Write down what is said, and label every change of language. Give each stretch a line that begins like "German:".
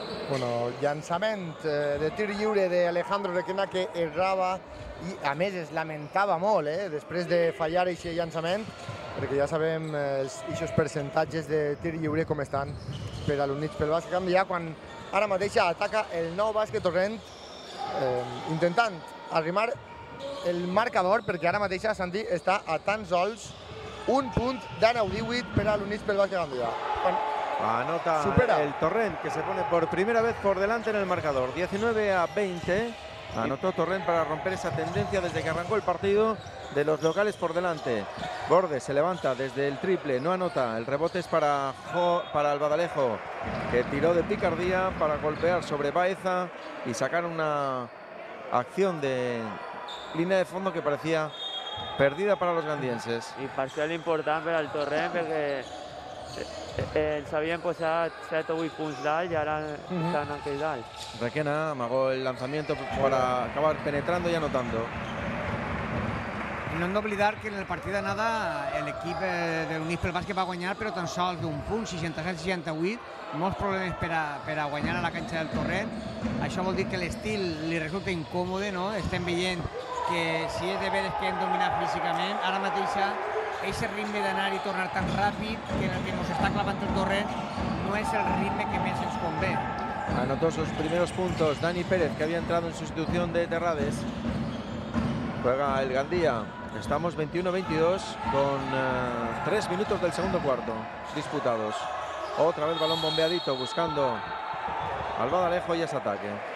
Catalan: Bueno, llançament de tir lliure d'Alejandro Requena, que errava i, a més, es lamentava molt, després de fallar aquest llançament, perquè ja sabem aquests percentatges de tir lliure com estan per a l'Units pel Bàsquet Gandia, quan ara mateix ataca el Nou Bàsquet Torrent, intentant arrimar el marcador, perquè ara mateix Santi està a tan sols un punt d'Anna Udíuit per a l'Units pel Bàsquet Gandia.
Spanish: Anota supera. El Torrent, que se pone por primera vez por delante en el marcador. 19-20. Anotó Torrent para romper esa tendencia desde que arrancó el partido de los locales por delante. Borde se levanta desde el triple, no anota. El rebote es para el Badalejo, que tiró de picardía para golpear sobre Baeza y sacar una acción de línea de fondo que parecía perdida para los gandienses. Y parcial importante al Torrent, porque el Sabien pues se ha hecho muy puntual y ahora está en aquel dal. Requena amagó el lanzamiento para acabar penetrando y anotando.
Catalan: No hem d'oblidar que en el partit d'anada l'equip de l'Unix pel Bàsquet va guanyar, però tan sols d'un punt, 67-68. Molts problemes per a guanyar a la canxa del Torrent. Això vol dir que l'estil li resulta incòmode, no? Estem veient que si és de veres que hem dominat físicament, ara mateix aquest ritme d'anar i tornar tan ràpid que en el que ens està clavant el Torrent no és el ritme que més ens convé.
Spanish: Anotó sus primeros puntos Dani Pérez, que había entrado en sustitución de Terrades. Juega el Gandía. Estamos 21-22 con 3 minutos del segundo cuarto disputados. Otra vez balón bombeadito buscando al Badalejo y ese ataque.